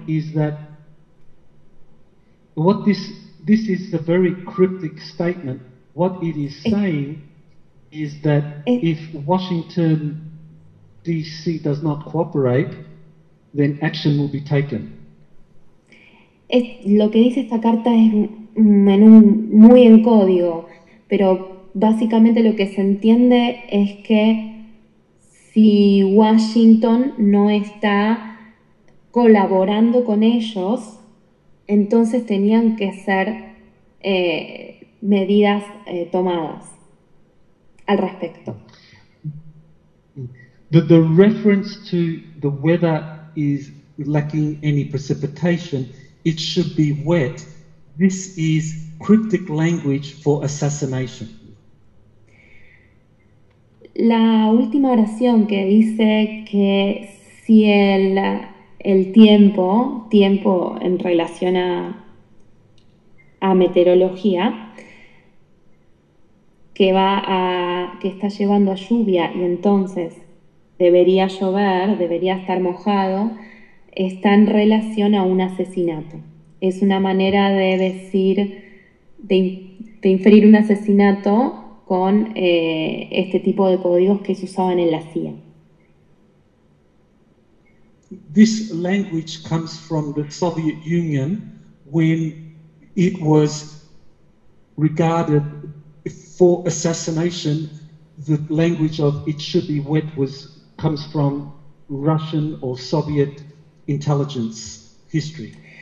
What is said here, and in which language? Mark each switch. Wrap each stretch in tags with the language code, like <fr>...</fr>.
<en>Is that what this is a very cryptic statement. What it is saying is that if Washington DC does not cooperate, then action will be taken.</en> <es>Lo que dice esta carta es muy en código, pero básicamente lo que se entiende es que si Washington no está colaborando con ellos, entonces tenían que ser medidas tomadas al respecto.</es> <en>The reference to the weather is lacking any precipitation. It should be wet. This is cryptic language for assassination.</en> <es>La última oración que dice que si el tiempo en relación a meteorología, que está llevando a lluvia y entonces debería llover, debería estar mojado, está en relación a un asesinato. Es una manera de decir, de inferir un asesinato con este tipo de códigos que se usaban en la CIA.</es> <en>This language comes from the Soviet Union when it was regarded for assassination. The language of it should be wet comes from Russian or Soviet intelligence history.</en>